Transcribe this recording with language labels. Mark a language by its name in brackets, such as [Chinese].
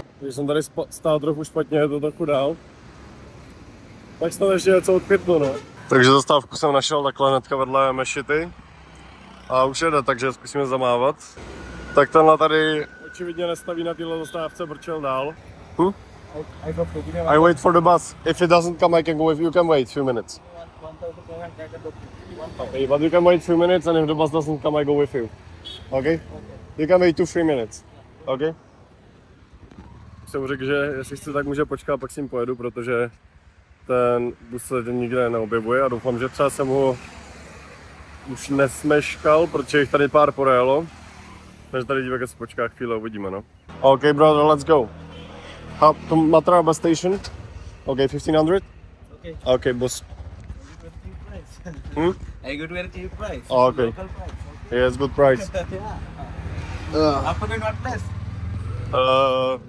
[Czech] Když jsem tady stál trochu špatně, je to trochu dál. Tak snad ještě něco odpětlo, no. Takže zastávku jsem našel takhle hnedka vedle mešity a už jede, takže zkusíme zamávat. Tak tenhle tady očividně nestaví na této zastávce, brčel dál. [English] I wait for the bus. If it doesn't come, I can go with you. You can wait few minutes. Okay, but you can wait few minutes and if the bus doesn't come, I go with you. Okay? You can wait 2-3 minutes. Okay? [Czech] Jsem řekl, že jestli chci, tak může počkat, pak s ním pojedu, protože ten bus se nikde neobjevuje a doufám, že třeba jsem ho už nesmeškal, protože jich tady pár porajelo. Takže tady dívek se počká chvíli, uvidíme, no. [English] OK, brother, let's go. Hop to Matara bus station. OK, 1500? OK. OK, bus. I got very cheap price. Local price, OK? Yes, good price. Yeah. Afternoon, what place?